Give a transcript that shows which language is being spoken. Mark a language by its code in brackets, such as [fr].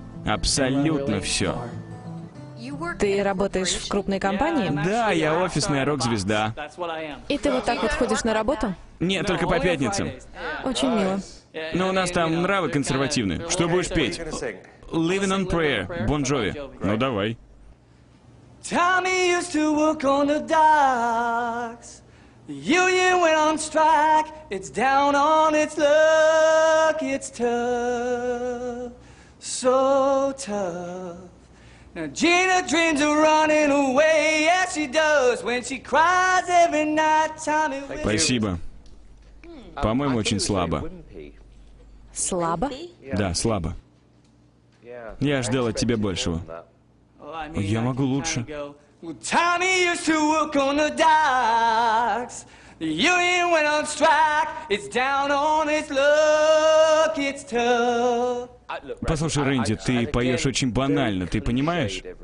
[ru] Абсолютно все. Ты работаешь в крупной компании? Да, я офисная рок-звезда. И ты вот так вот ходишь на работу? Нет, только по пятницам. Очень мило. Но у нас там нравы консервативные. Что будешь петь? [en] Living on Prayer, Bon Jovi. [ru] Ну давай. [en] Tommy used to work on the docks. Union went on strike. It's down on its luck. It's tough. So tough. Now Gina dreams of running away. Yes, she does. When she cries every night, Tommy will... [ru] Спасибо. По-моему, очень слабо. Слабо? Да, слабо. Я ждал от тебя большего. Я могу лучше. [en] Tommy used to work on the docks. The union went on strike. It's down on its luck. It's tough. [ru] Послушай, Рэнди, ты поешь очень банально, ты понимаешь?